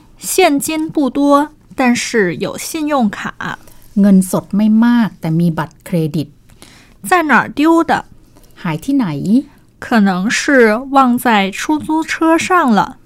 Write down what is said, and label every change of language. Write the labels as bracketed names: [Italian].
[Chinese] 现金不多但是有信用卡 [Thai] เงินสดไม่มากแต่มีบัตรเครดิต [Chinese] 在哪儿丢的 [Thai] หายที่ไหน [Chinese] 可能是忘在出租车上了